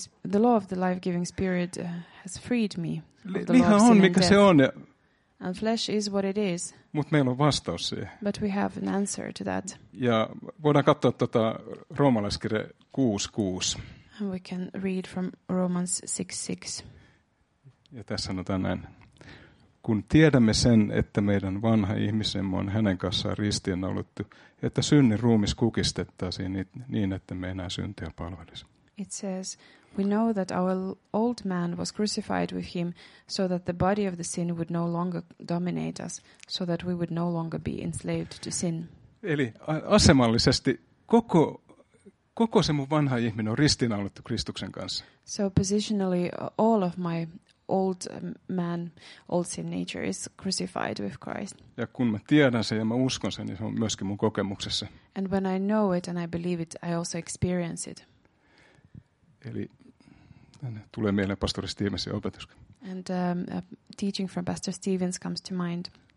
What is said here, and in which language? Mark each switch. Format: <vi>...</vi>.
<en>The law of the life-giving spirit has freed me.</en> <fi>Liha on, mikä se on.</fi> <en>And flesh is what it is.</en> <fi>Mut meillä on vastaus siihen.</fi> <en>But we have an answer to that.</en> <fi>Ja voidaan katsoa tota Roomalaiskirje 6:6.</fi> <en>And we can read from Romans 6:6.</en> <fi>Ja tässä sanotaan näin. Kun tiedämme sen, että meidän vanha ihmisemme on hänen kanssaan ristiinnaulittu, että synnin ruumis kukistettaisiin niin, että me enää syntiä palvelisi.</fi> <en>It says, we know that our old man was crucified with him so that the body of the sin would no longer dominate us, so that we would no longer be enslaved to sin.</en> <fi>Eli asemallisesti koko se mun vanha ihminen on ristiinnaulittu Kristuksen kanssa.</fi> <en>So positionally all of my old man, old sin nature is crucified with Christ.</en> <fi>Ja kun mä tiedän sen ja mä uskon sen, niin se on myöskin mun kokemuksessa.</fi> <en>And when I know it and I believe it, I also experience it.</en> <fi>Eli tulee mieleen pastori Stevensin opetus.</fi> <en>And a teaching from Pastor Stevens comes to mind.</en>